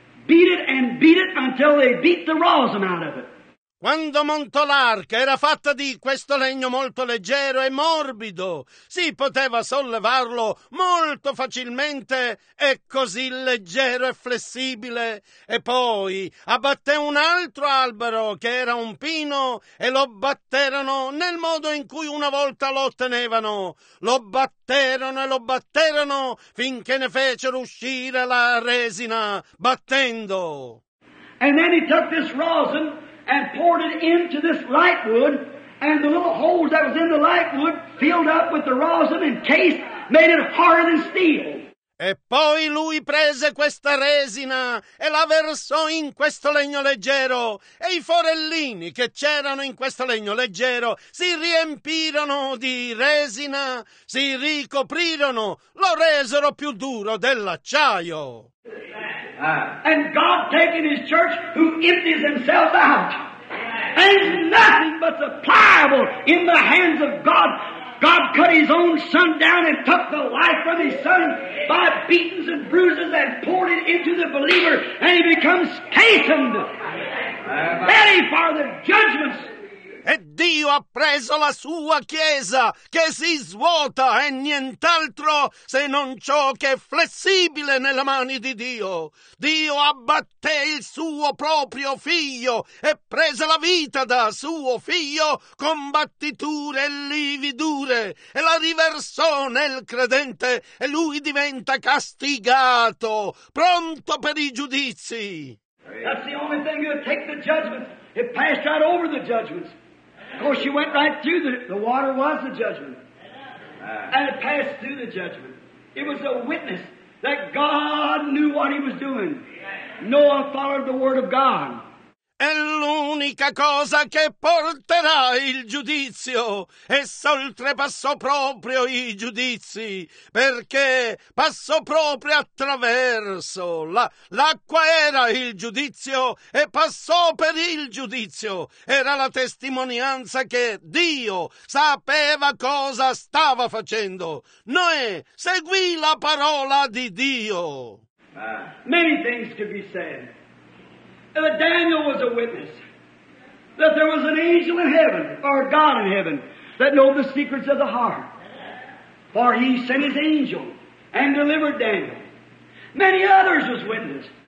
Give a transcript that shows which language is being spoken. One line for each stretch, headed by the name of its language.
English: Beat it and beat it until they beat the rosin out of it.
Italian: Quando montò l'arca era fatta di questo legno molto leggero e morbido. Si poteva sollevarlo molto facilmente e così leggero e flessibile. E poi abbatté un altro albero che era un pino e lo batterono nel modo in cui una volta lo ottenevano. Lo batterono e lo batterono finché ne fecero uscire la resina battendo.
English: And then he took this rosin and poured it into this light wood, and the little holes that was in the light wood filled up with the rosin and cased, made it harder than steel.
Italian: E poi lui prese questa resina e la versò in questo legno leggero, e i forellini che c'erano in questo legno leggero si riempirono di resina, si ricoprirono, lo resero più duro dell'acciaio.
English: And God taking his church who empties himself out. There's nothing but the pliable in the hands of God. God cut his own son down and took the life from his son by beatings and bruises and poured it into the believer, and he becomes chastened, ready for the judgments.
Italian: Ed Dio ha preso la sua chiesa, che si svuota e nient'altro se non ciò che è flessibile nelle mani di Dio. Dio abbatté il suo proprio figlio e prese la vita da suo figlio con battiture e lividure e la riversò nel credente e lui diventa castigato, pronto per i giudizi.
English: That's the only thing that'll take the judgments. It passed right over the judgments. Of course, she went right through the water was the judgment. And it passed through the judgment. It was a witness that God knew what he was doing. Noah followed the word of God.
Italian: È l'unica cosa che porterà il giudizio. Essa oltrepassò proprio i giudizi, perché passò proprio attraverso. L'acqua era il giudizio e passò per il giudizio. Era la testimonianza che Dio sapeva cosa stava facendo. Noè seguì la parola di Dio.
English: Many things to be said. And that Daniel was a witness that there was an angel in heaven, or God in heaven, that knew the secrets of the heart. For he sent his angel and delivered Daniel. Many others was witness.